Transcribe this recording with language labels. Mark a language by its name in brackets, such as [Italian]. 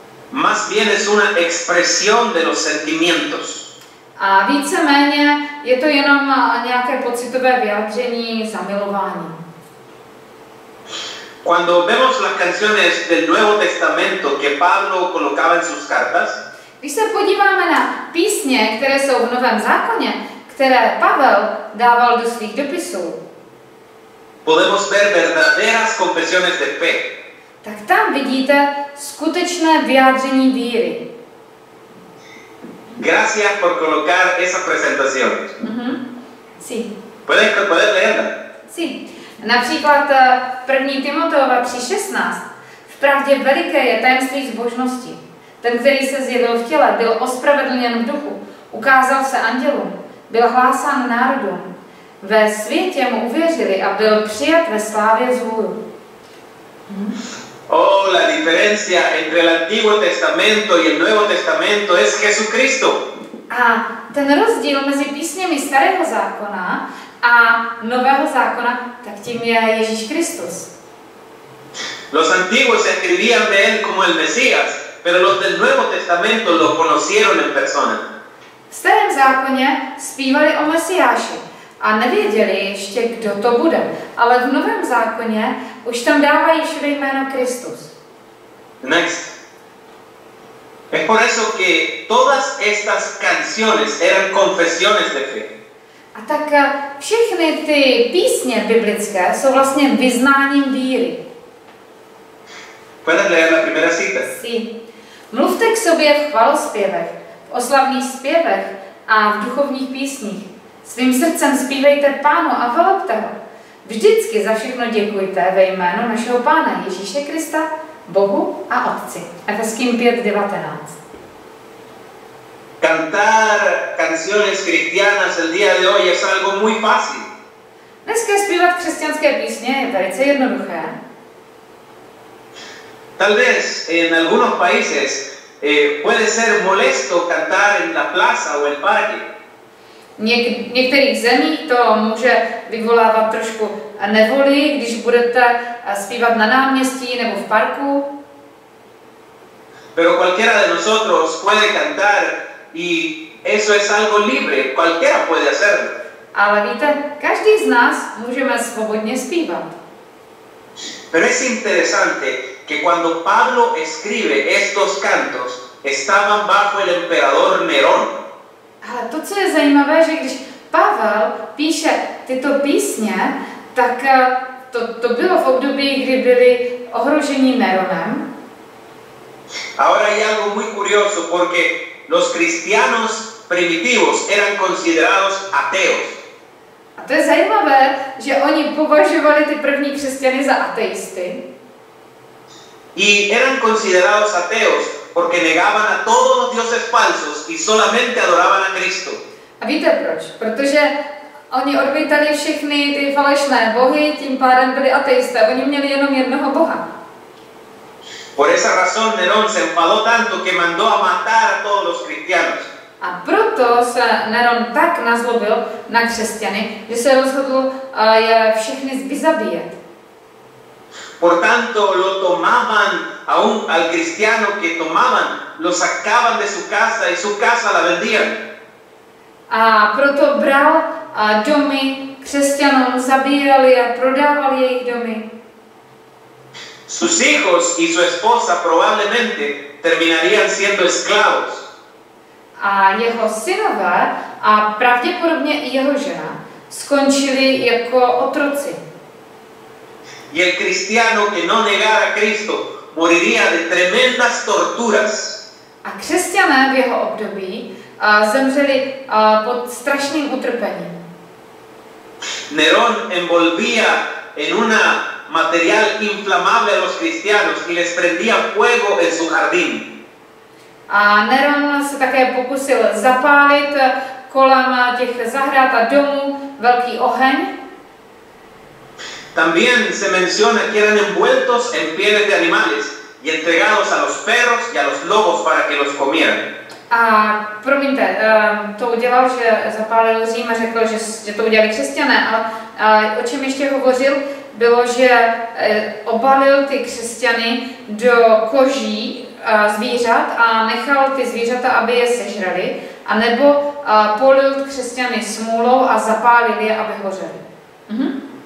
[Spanish] Más bien es una expresión de los sentimientos. [Czech] A víceméně je to jenom nějaké pocitové vyjádření zamilování. [Spanish] Cuando vemos las canciones del Nuevo Testamento que Pablo colocaba en sus cartas, [Czech] když se podíváme na písně, které jsou v Novém zákoně, které Pavel dával do svých dopisů, [Spanish] podemos ver verdaderas confesiones de fe. [Czech] Tak tam vidíte skutečné vyjádření víry. [Spanish] Gracias por colocar esa presentación. Sí. ¿Puedes leerla? Sí. [Czech] Například 1. Timoteova 3:16. V pravdě veliké je tajemství zbožnosti. Ten, který se zjevil v těle, byl ospravedlněn v duchu, ukázal se andělům, byl hlásán národům. Ve světě mu uvěřili a byl přijat ve slávě vzhůru. [Spanish] Oh, la diferencia entre el Antiguo Testamento y el Nuevo Testamento es Jesucristo. [Czech] A ten rozdíl mezi písněmi Starého zákona a nového zákona, tak tím je Ježíš Kristus. [Spanish] Los antiguos escribían de él como el Mesías, pero los del Nuevo Testamento lo conocieron en persona. [Czech] V starém zákoně zpívali o Mesiáši a nevěděli ještě, kdo to bude, ale v novém zákoně už tam dávají všude jméno Kristus. [English] Next. [Spanish] Es por eso que todas estas canciones eran confesiones de fe. [Czech] A tak všechny ty písně biblické jsou vlastně vyznáním víry. [Spanish] ¿Puedes leer la primera cita? Sí. [Czech] Mluvte k sobě v chvalospěvech, v oslavných zpěvech a v duchovních písních. Svým srdcem zpívejte Pánu a chvalte ho. Vždycky za všechno děkujte ve jménu našeho Pána Ježíše Krista, Bohu a Otci. Efeským 5:19. [Spanish] Cantar canciones cristianas el día de hoy es algo muy fácil. [Czech] Dneska zpívat křesťanské písně je velice jednoduché. [Spanish] Tal vez en algunos países puede ser molesto cantar en la plaza o el parque. [Czech] Některých zemích to může vyvolávat trošku nevoli, když budete zpívat na náměstí nebo v parku. [Spanish] Pero cualquiera de nosotros puede cantar y eso es algo libre, cualquiera puede hacerlo. [Czech] Ale víte, každý z nás můžeme svobodně zpívat. [Spanish] Pero es interesante que cuando Pablo escribe estos cantos, estaban bajo el emperador Nerón. [Czech] Ale to, co je zajímavé, že když Pavel píše tyto písně, tak to bylo v období, kdy byli ohroženi Neronem. [Spanish] Ahora hay algo muy curioso porque los cristianos primitivos eran considerados ateos. [Czech] A to je zajímavé, že oni považovali ty první křesťany za ateisty. [Spanish] Y eran considerados ateos porque negaban a todos los dioses falsos y solamente adoraban a Cristo. [Czech] A víte proč? Protože oni odmítali všechny ty falešné bohy, tím pádem byli ateisté. Oni měli jenom jednoho boha. [Spanish] Por esa razón Nerón se enfadó tanto que mandó a matar a todos los cristianos. [Czech] A proto se Nerón tak nazlobil na křesťany, že se rozhodl je všechny zabíjet. [Spanish] Por tanto lo tomaban aún al cristiano que tomaban, lo sacaban de su casa y su casa la vendían. [Czech] A proto bral domy křesťanům, zabíjeli a prodávali jejich domy. [Spanish] Sus hijos y su esposa probablemente terminarían siendo esclavos. [Czech] A jeho synové a pravděpodobně i jeho žena skončili jako otroci. [Spanish] Y el cristiano que no negara a Cristo moriría de tremendas torturas. [Czech] A křesťané v jeho období zemřeli pod strašným utrpením. [Spanish] Nerón envolvía en un material inflamable a los cristianos y les prendía fuego en su jardín. [Czech] A Nerón se také pokusil zapálit kolem těch zahrad a domů velký oheň. [Spanish] También se menciona que eran envueltos en pieles de animales y entregados a los perros y a los lobos para que los comieran. [Czech] A promiňte, to udělal, že zapálil Řím a řekl, že to udělali křesťané, ale o čem ještě hovořil, bylo, že obalil ty křesťany do koží zvířat a nechal ty zvířata, aby je sežrali, anebo polil křesťany smůlou a zapálil je, aby hořeli.